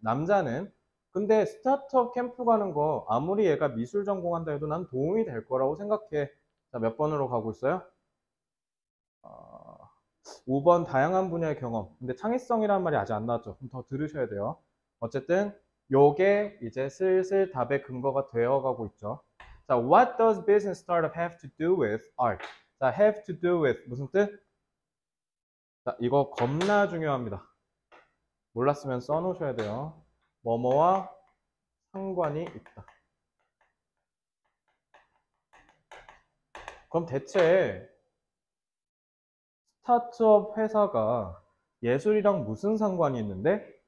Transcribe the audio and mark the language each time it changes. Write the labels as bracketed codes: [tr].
[ko] 남자는 근데 스타트업 캠프 가는 거 아무리 얘가 미술 전공한다 해도 난 도움이 될 거라고 생각해. 자, 몇 번으로 가고 있어요? 5번 다양한 분야의 경험. 근데 창의성이라는 말이 아직 안 나왔죠. 그럼 더 들으셔야 돼요. 어쨌든 요게 이제 슬슬 답의 근거가 되어가고 있죠. 자, [en] what does business startup have to do with art? [ko] 자, [en] have to do with [ko] 무슨 뜻? 자, 이거 겁나 중요합니다. 몰랐으면 써놓으셔야 돼요. 뭐뭐와 상관이 있다. 그럼 대체 스타트업 회사가 예술이랑 무슨 상관이 있는데?